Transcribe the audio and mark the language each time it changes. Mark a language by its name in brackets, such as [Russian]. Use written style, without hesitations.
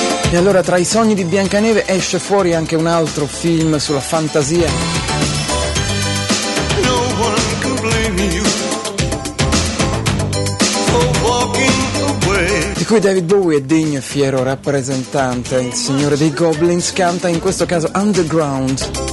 [Italian] E allora tra i sogni di Biancaneve esce fuori anche un altro film sulla fantasia. [English] No one can blame you for walking away. [Italian] Di cui David Bowie è degno e fiero rappresentante. Il signore dei Goblins canta in questo caso Underground.